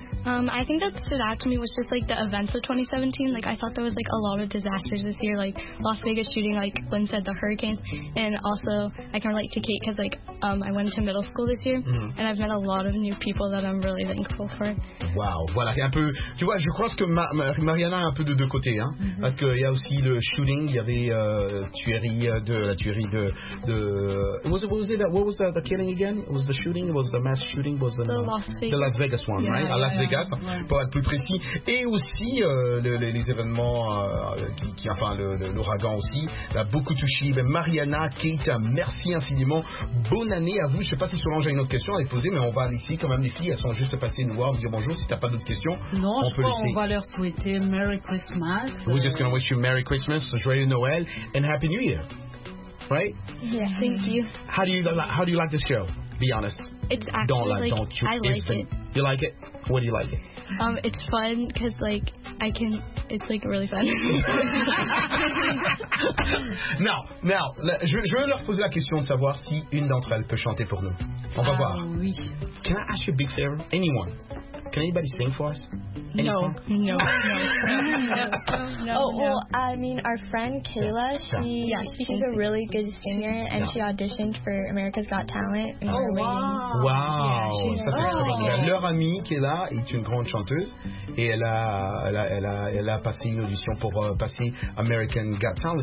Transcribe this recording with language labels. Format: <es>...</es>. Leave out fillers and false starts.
<en>I think that stood out to me was just like the events of 2017. Like I thought there was like a lot of disasters this year, like Las Vegas shooting, like Lynn said, the hurricanes, and also I can relate to Kate because like I went to middle school this year, mm-hmm. and I've met a lot of new people that I'm really thankful for.</en> <fr>Wow, voilà, un peu. Tu vois, je crois que Mariana a un peu de deux côtés, hein, mm-hmm. parce qu'il y a aussi le shooting, il y avait la tuerie de.</fr> <en>What was that killing again? It was the shooting? Was the mass shooting? Was the Las Vegas? The Las Vegas one, yeah, right? Yeah, Las Vegas.</en> <fr>Ouais. Pour être plus précis, et aussi les événements, l'ouragan aussi, a beaucoup touché. Mais Mariana, Kate, merci infiniment. Bonne année à vous. Je ne sais pas si Solange a une autre question à les poser, mais on va laisser quand même les filles. Elles sont juste passées nous voir, nous dire bonjour. Si tu n'as pas d'autres questions, non, on peut les laisser. On va leur souhaiter Merry Christmas.</fr> <en>We're just going to wish you Merry Christmas,</en> <fr>Joyeux Noël,</fr> <en>and Happy New Year. Right? Yeah, thank you. How do you like this show? Be honest. It's actually don't, like, don't you, I like it. You like it? What do you like it? It's fun because like I can. It's like really fun.</en> <fr>Now, je veux leur poser la question de savoir si une d'entre elles peut chanter pour nous. On va voir. Oui.</fr> <en>Can I ask you a big favor? Anyone? Can anybody sing for us? No. I mean, our friend Kayla, she's a really good singer, and she auditioned for America's Got Talent. Oh, wow.</en> <fr>Leur amie Kayla est une grande chanteuse, et elle a passé une audition pour passer American Got Talent.</fr>